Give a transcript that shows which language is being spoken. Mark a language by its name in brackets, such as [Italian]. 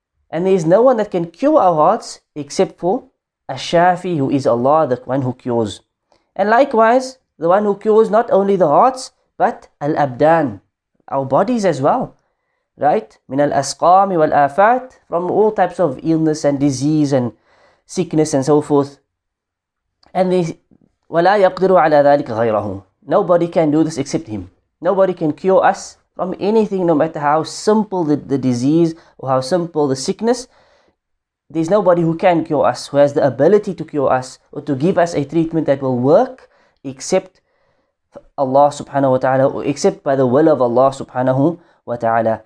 [English] And there is no one that can cure our hearts except for Ash-Shafi, who is Allah, the one who cures. And likewise, the one who cures not only the hearts, but al-abdan, our bodies as well. Right? [Arabic] Min al-asqami wal-afat, [English] from all types of illness and disease and sickness and so forth. And the [Arabic] وَلَا يَقْدِرُ عَلَى ذَلِكَ غَيْرَهُ. [English] Nobody can do this except him. Nobody can cure us from anything, no matter how simple the disease or how simple the sickness. There's nobody who can cure us, who has the ability to cure us or to give us a treatment that will work, except Allah subhanahu wa ta'ala, or except by the will of Allah subhanahu wa ta'ala.